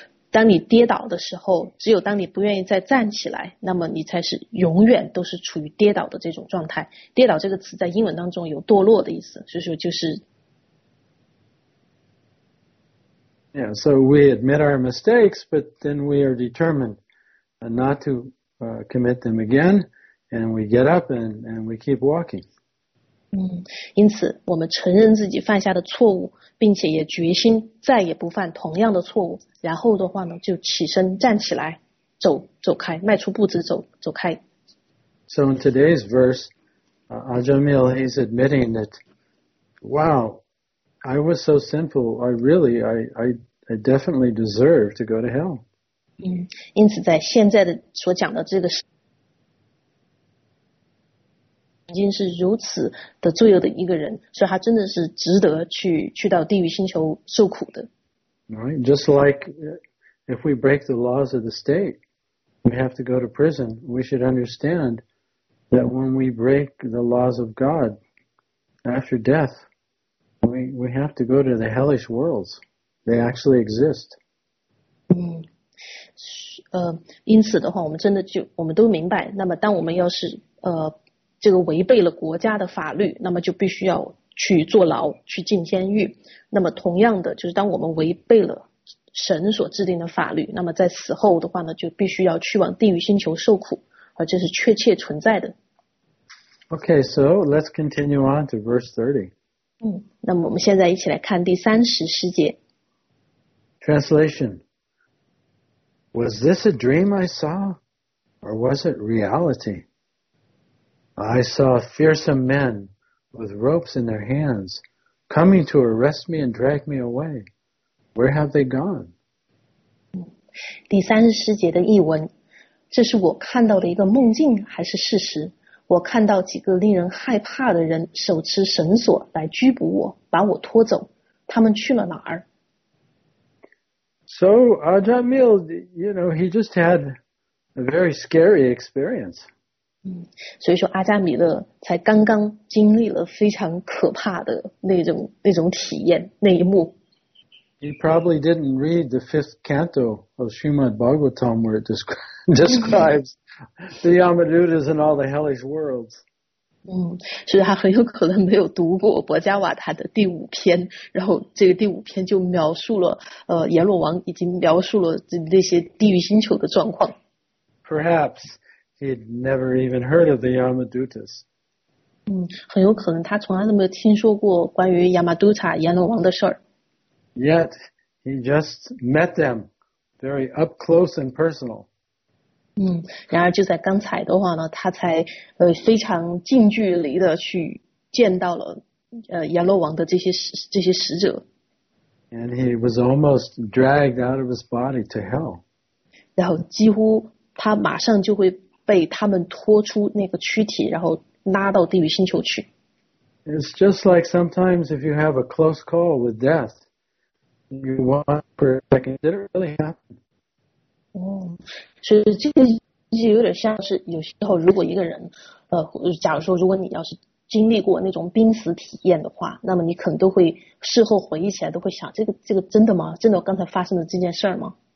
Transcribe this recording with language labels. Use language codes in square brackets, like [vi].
[zh] 当你跌倒的时候，只有当你不愿意再站起来，那么你才是永远都是处于跌倒的这种状态。跌倒这个词在英文当中有堕落的意思，所以说就是。 [en] Yeah, so we admit our mistakes, but then we are determined not to commit them again, and we get up and we keep walking. [zh] 因此我们承认自己犯下的错误，并且也决心再也不犯同样的错误，然后的话呢就起身站起来，走开，迈出步子走开。 [en] So in today's verse, Ajamil is admitting that, wow, I was so sinful, I definitely deserve to go to hell. [zh] 因此在现在的所讲的这个事已经是如此的罪恶的一个人，所以他真的是值得去到地狱星球受苦的。 [en] Right, just like if we break the laws of the state, we have to go to prison. We should understand that when we break the laws of God, after death, we have to go to the hellish worlds. They actually exist. [zh] 因此的话，我们都明白。那么，当我们要是这个违背了国家的法律，那么就必须要去坐牢，去进监狱。那么同样的，就是当我们违背了神所制定的法律，那么在死后的话呢，就必须要去往地狱星球受苦，而这是确切存在的。 [en] Okay, so let's continue on to verse 30. [zh] 那么我们现在一起来看第三十诗节。 [en] Translation. Was this a dream I saw, or was it reality? I saw fearsome men with ropes in their hands coming to arrest me and drag me away. Where have they gone? [zh] 第三十诗节的译文，这是我看到的一个梦境还是事实？我看到几个令人害怕的人手持绳索来拘捕我，把我拖走。他们去了哪儿？ [en] So Ajamil, you know, he just had a very scary experience. [zh] 所以说阿加米勒才刚刚经历了非常可怕的那种体验，那一幕。 [en] You probably didn't read the fifth canto of Srimad Bhagavatam where it describes the Yamadutas and all the hellish worlds. [zh] 嗯，是他很有可能没有读过《博加瓦塔》的第五篇，然后这个第五篇就描述了阎罗王已经描述了那些地狱星球的状况。 [en] Perhaps he'd never even heard of the Yamadutas. [zh] 嗯，很有可能他从来都没有听说过关于 Yamaduta 阎罗王的事儿。 [en] Yet he just met them very up close and personal. [zh] 嗯，然而就在刚才的话呢，他才非常近距离的去见到了阎罗王的这些使者。 [en] And he was almost dragged out of his body to hell. [zh] 然后几乎他马上就会被他们拖出那个躯体，然后拉到地狱星球去。 [en] It's just like sometimes if you have a close call with death. You want for a second? Did it really happen? [zh] 是这个就有点像是有时候如果一个人，假如说如果你要是经历过那种濒死体验的话，那么你可能都会事后回忆起来都会想，这个真的吗？真的刚才发生的这件事吗